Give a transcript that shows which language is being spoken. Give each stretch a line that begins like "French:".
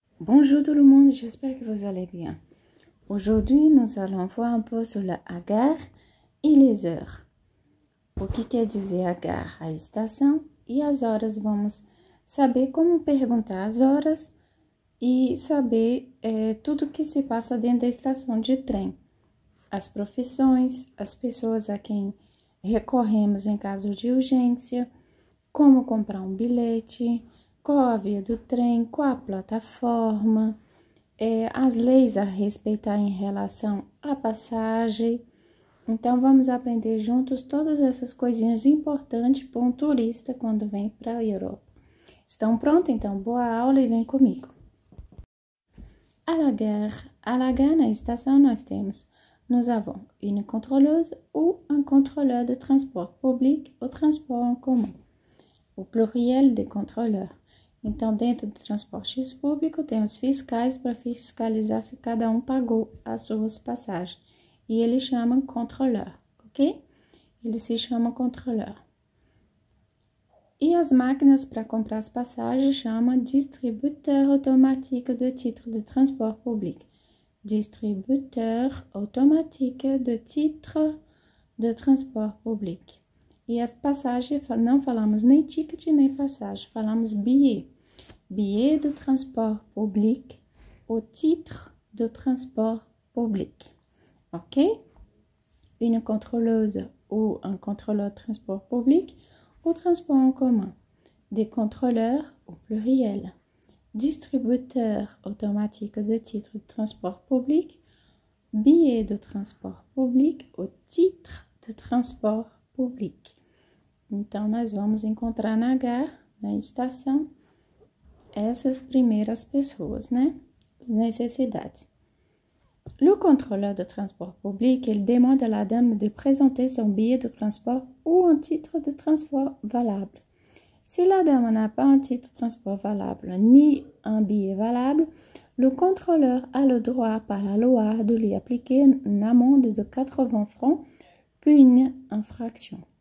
French: Bonjour tout le monde, j'espère que vous allez bien. Aujourd'hui, nous allons voir un peu sur le Agar et les heures.
Portuguese: Pour qui quer dizer Agar, a estação, e as horas, vamos saber como perguntar as horas e saber tudo o que se passa dentro da estação de trem. As profissões, as pessoas a quem recorremos em caso de urgência, como comprar um bilhete, qual a via do trem, qual a plataforma, as leis a respeitar em relação à passagem. Então, vamos aprender juntos todas essas coisinhas importantes para um turista quando vem para a Europa. Estão prontos? Então, boa aula e vem comigo.
French: À la gare. À la gare,
Portuguese: na estação, nós temos.
French: Nous avons une contrôleuse ou un contrôleur de transport public ou transport en commun. Au pluriel des contrôleurs.
Portuguese: Então, dentro do transporte público, tem os fiscais para fiscalizar se cada um pagou as suas passagens. E eles chamam controleur, ok? Eles se chamam controleur. E as máquinas para comprar as passagens chamam
French: distributeur automatique de titre de transport public. Distributeur automatique de titre de transport public.
Portuguese: E as passagens, não falamos nem ticket, nem passagem, falamos billet.
French: Billet de transport public au titre de transport public. Ok? Une contrôleuse ou un contrôleur de transport public ou transport en commun. Des contrôleurs au pluriel. Distributeur automatique de titre de transport public. Billet de transport public au titre de transport public.
Portuguese: Então, nós vamos encontrar na gare, na estação, essas primeiras pessoas, né? As necessidades.
French: Le contrôleur de transport public, il demande à la dame de présenter son billet de transport ou un titre de transport valable. Si la dame n'a pas un titre de transport valable ni un billet valable, le contrôleur a le droit par la loi de lui appliquer une amende de 80 francs, puis une infraction.